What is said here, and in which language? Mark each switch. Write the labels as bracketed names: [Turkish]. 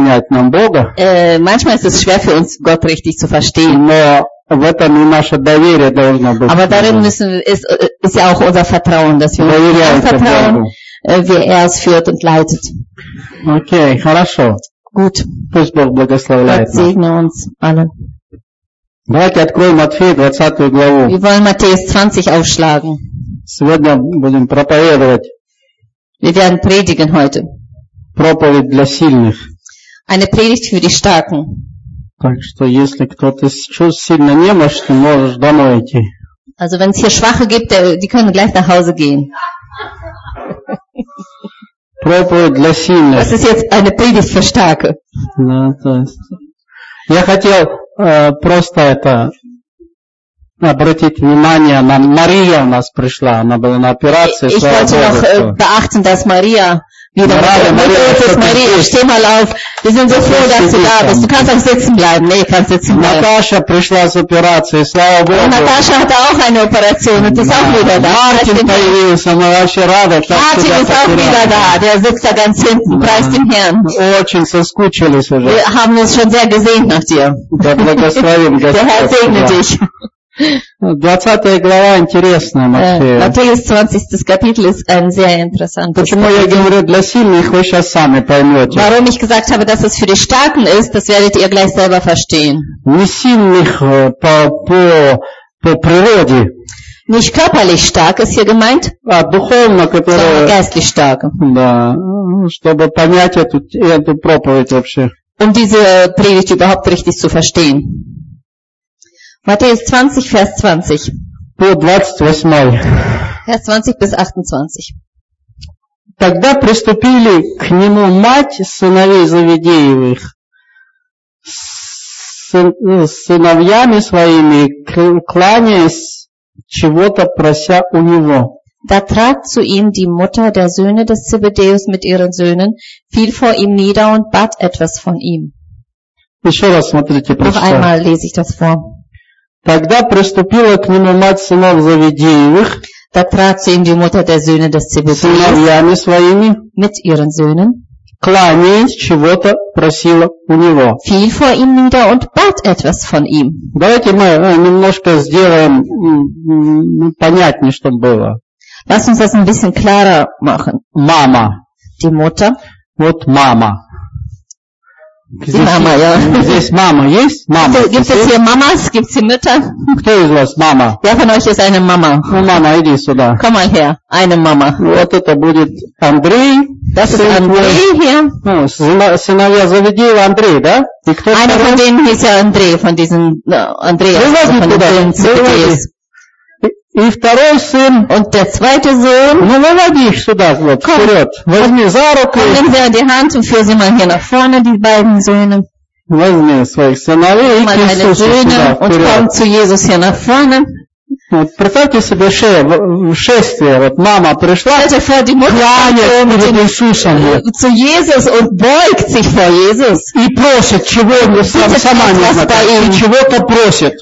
[German] Manchmal ist es schwer für uns, Gott richtig zu verstehen. Aber darin müssen, ist ja auch unser Vertrauen, dass wir uns vertrauen, wie er es führt und leitet. [Russian] Okay, хорошо. [German] Gut. Gott segne uns alle. [Russian] Давайте откроем Матфея 20 главу. [German] Wir wollen Matthäus 20 aufschlagen. [Russian] Сегодня будем проповедовать. [German] Wir werden predigen heute. [Russian] Проповедь для сильных. [German] Eine Predigt für die Starken. [Russian] Так что если кто-то чувствует сильно немощь, то можешь домой идти. [German] Also wenn es hier Schwache gibt, die können gleich nach Hause gehen. [Russian] Проповедь для сильных. [German] Das ist jetzt eine Predigt für Starke. [Russian] Да, то есть. Я хотел просто это обратить внимание на Мария у нас пришла, она была на операции. [German] Ich wollte noch beachten, dass Maria wieder Maria, steh mal auf. Wir sind so froh, dass du da bist. Du kannst auch sitzen bleiben. Nee, kannst sitzen bleiben. [Russian] Natascha пришла с операции, слава Богу. [German] Und Natascha hatte auch eine Operation und ist auch wieder da. Martin [Russian] появился, мы вообще рады. [German] Martin ist auch wieder da. Der sitzt da ganz hinten. Preis dem Herrn. [Russian] Очень соскучились уже. [German] Wir haben uns schon sehr gesehen nach dir. Der Herr segne dich. [Russian] 20 глава интересная, Матфея. [German] Матфея 20 Kapitel ist ein sehr interessantes. [Russian] Почему я говорю для сильных, вы сейчас сами поймете. [German] Warum ich gesagt habe, dass es für die Starken ist, das werdet ihr gleich selber verstehen. [Russian] Не сильных по природе. [German] Nicht körperlich stark ist hier gemeint, [Russian] духовно, которое, [German] sondern geistlich stark. [Russian] Да, чтобы понять эту проповедь вообще. [German] Um diese Predigt überhaupt richtig zu verstehen. Matthäus 20, Vers 20. Vers 20 bis 28. [Russian] Тогда приступили к нему мать сыновей Заведеевых с сыновьями своими, кланяясь, чего-то прося у него. [German] Da trat zu ihm die Mutter der Söhne des Zebedäus mit ihren Söhnen, fiel vor ihm nieder und bat etwas von ihm. [Russian] Еще раз смотрите, [German] noch einmal lese ich das vor. [Russian] Тогда приступила к нему мать сынов Заведеевых. [German] Da trat zu ihm die Mutter der Söhne des Zebedäus mit ihren Söhnen, [Russian] кланяясь, чего-то просила у него. [German] Fiel vor ihm nieder und bat etwas von ihm. [Russian] Давайте мы немножко сделаем понятнее, чтобы было. [German] Lass uns das ein bisschen klarer machen. [Russian] Mama. [German] Die Mutter. [Russian] Вот Mama. [German] Die [Russian] здесь [German] Mama, ja. [Russian] Здесь Mama, есть Mama. [German] Gibt es hier Mamas? Gibt es hier Mütter? [Russian] Кто из вас Mama? [German] Wer von euch ist eine Mama? [Russian] Ну, Mama, иди сюда. [German] Komm mal her, eine Mama. [Russian] Вот это будет Андрей. [German] Das ist Андрей hier. [Russian] Сыновья Заведеева Андрей, да? [German] Einer von denen ist ja Андрей, von diesen Андреас, von den Заведеевых. [Russian] И второй сын. [German] Und der zweite Sohn. [Russian] Ну, выводи их сюда, вот, [German] komm, [Russian] вперед. Возьми за руку. [German] Nimm sie an die Hand und führ sie mal hier nach vorne, die beiden Söhne. [Russian] Возьми своих сыновей и Христу сюда, вперед. [German] Und komm zu Jesus hier nach vorne. [Russian] Вот, представьте себе шествие, вот мама пришла, кланяет перед Иисусом. [German] Zu Jesus und beugt sich vor Jesus. [Russian] И просит, чего он сама не знает, и чего-то просит.